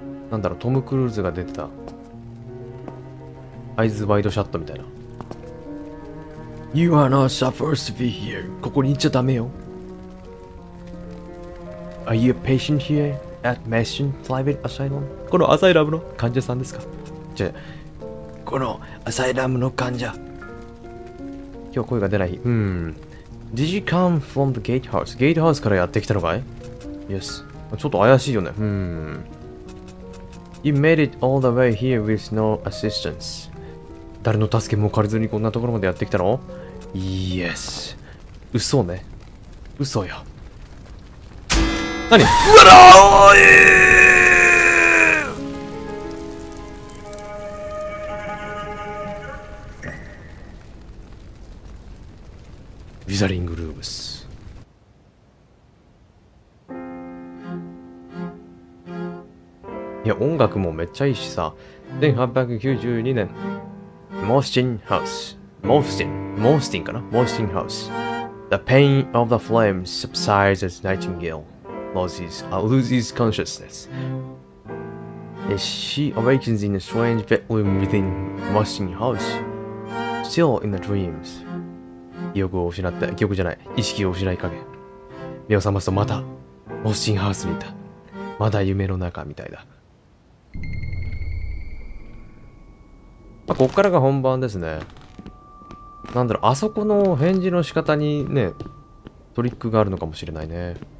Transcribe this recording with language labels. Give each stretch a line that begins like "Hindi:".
Japanese: なんだろう、トム・クルーズが出てた。アイズ・ワイド・シャットみたいな。
English: You are not supposed to be here.
Japanese: ここに行っちゃダメよ。
English: Are you a patient here at Mansion Private Asylum?
Japanese: このアサイラムの患者さんですか？じゃあ、このアサイラムの患者。今日声が出ない日。
English: Did you come from the gatehouse?
Japanese: Gatehouse からやってきたのかい?
English: Yes.
Japanese: ちょっと怪しいよね。
English: You made it all the way here with no assistance.
Japanese: 誰の助けも借りずにこんなところまでやってきたの?
English: Yes.
Japanese: 嘘ね。嘘よ。何? うわおい! ウィザリングルームス。いや、音楽もめっちゃいいしさ。1892年、モースティンハウス。モースティンかな?モースティンハウス。
English: The pain of the flames subsides as Nightingale loses consciousness. And she awakens in a strange bedroom within Mosting House, still in the dreams.
Japanese: 記憶を失った、記憶じゃない、意識を失いかけ目を覚ますとまたモスティンハウスにいた。まだ夢の中みたいだ。まあ、こっからが本番ですね。なんだろう、あそこの返事の仕方にねトリックがあるのかもしれないね。